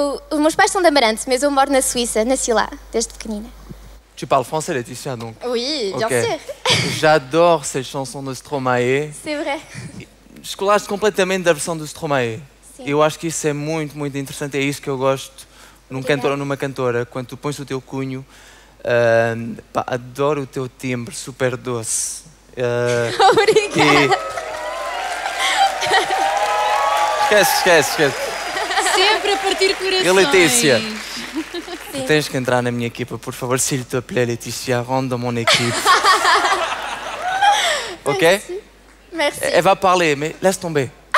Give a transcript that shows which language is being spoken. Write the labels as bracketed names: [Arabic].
[Portuguese] Os meus pais são de Amarante, mas eu moro na Suíça, nasci lá, desde pequenina. [French] Tu parles français, Letícia, donc? Oui, bien sûr. J'adore cette chanson de Stromae. C'est vrai. [Portuguese] Escolaste completamente da versão do Stromae. Sim. Eu acho que isso é muito, muito interessante. É isso que eu gosto num cantor ou numa cantora. Quando tu pões o teu cunho, pá, adoro o teu timbre, super doce. Obrigada. Esquece. Sempre a partir corações. Letícia, tu tens que entrar na minha equipa, por favor. [French] S'il te plaît, Letícia, rende mon équipe. Ok? Merci. Elle va parler, mais laisse tomber.